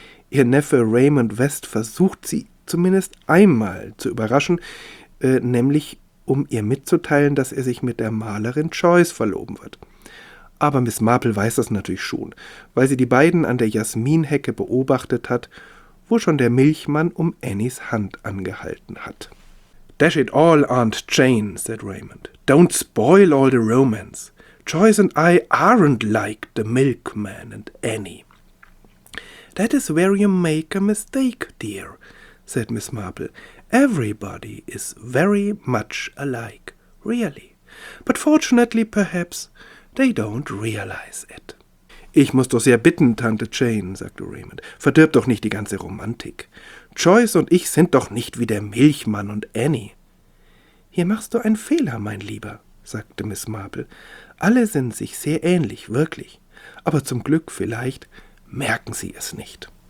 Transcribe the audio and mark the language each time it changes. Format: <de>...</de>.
<de>Ihr Neffe Raymond West versucht sie zumindest einmal zu überraschen, nämlich um ihr mitzuteilen, dass er sich mit der Malerin Joyce verloben wird. Aber Miss Marple weiß das natürlich schon, weil sie die beiden an der Jasminhecke beobachtet hat, wo schon der Milchmann um Annies Hand angehalten hat.</de> <en>"Dash it all, Aunt Jane," said Raymond. "Don't spoil all the romance. Joyce and I aren't like the milkman and Annie." "That is where you make a mistake, dear," said Miss Marple. "Everybody is very much alike, really. But fortunately, perhaps, they don't realize it."</en> <de>"Ich muss doch sehr bitten, Tante Jane," sagte Raymond. "Verdirb doch nicht die ganze Romantik. Joyce und ich sind doch nicht wie der Milchmann und Annie." "Hier machst du einen Fehler, mein Lieber," sagte Miss Marple. "Alle sind sich sehr ähnlich, wirklich. Aber zum Glück vielleicht merken sie es nicht."</de>